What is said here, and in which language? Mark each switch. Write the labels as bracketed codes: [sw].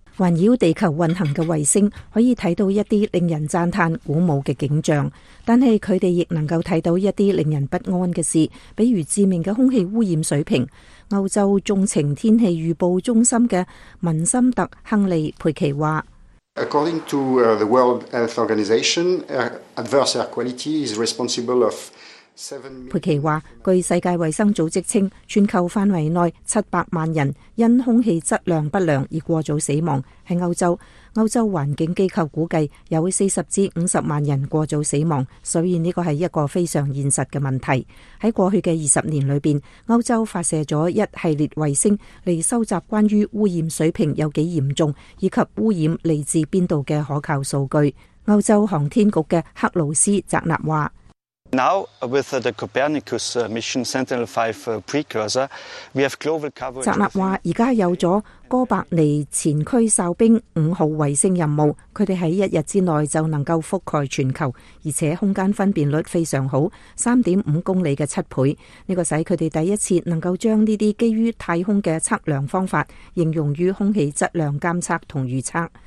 [yue] 环绕地球运行的卫星可以看到一些令人赞叹鼓舞的景象，但是他们亦能够看到一些令人不安的事，比如致命的空气污染水平。欧洲纵情天气预报中心的文森特·亨利·佩奇说， [en] According to the World Health Organization, adverse air quality is responsible of 7 million... [yue] 佩奇说，据世界卫生组织称，全球范围内700万人因空气质量不良而过早死亡。在欧洲环境机构估计有40至50万人过早死亡，所以这个是一个非常现实的问题。在过去的20年里面，欧洲发射了一系列卫星来收集关于污染水平有多严重以及污染来自哪里的可靠数据。欧洲航天局的克鲁斯·泽纳说， [en] Now, with the Copernicus mission Sentinel-5 precursor, we have global coverage. [yue] 泽纳说，现在有了哥白尼前驱哨兵五号卫星任务，他们在一日之内就能够覆盖全球，而且空间分辨率非常好，3.5公里的七倍。这个使他们第一次能够将这些基于太空的测量方法应用于空气质量监测和预测。